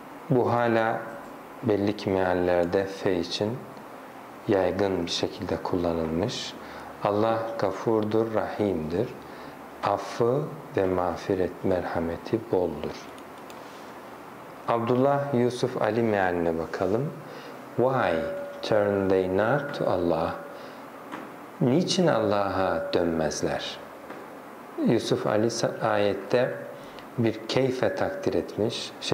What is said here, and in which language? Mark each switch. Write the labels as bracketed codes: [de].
[tr] Bu hala belli ki meallerde fe için yaygın bir şekilde kullanılmış. Allah gafurdur, rahimdir. Affı ve mağfiret, merhameti boldur. Abdullah Yusuf Ali mealine bakalım. [en] Why turn they not to Allah? [tr] Niçin Allah'a dönmezler? Yusuf Ali ayette bir keyfe takdir etmiş.